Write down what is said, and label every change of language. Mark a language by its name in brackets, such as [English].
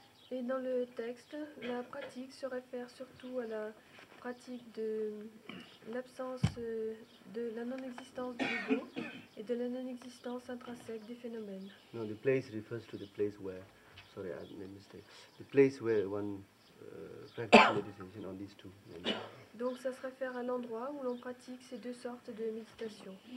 [French] Et dans le texte, la pratique se réfère surtout à la pratique de l'absence de la non-existence de l'ego et de la non-existence intrinsèque des phénomènes. [English] No, the place refers to the place where, sorry, I made a mistake. The place where one practices meditation on these two. [French] Donc, ça se réfère à l'endroit où l'on pratique ces deux sortes de méditation.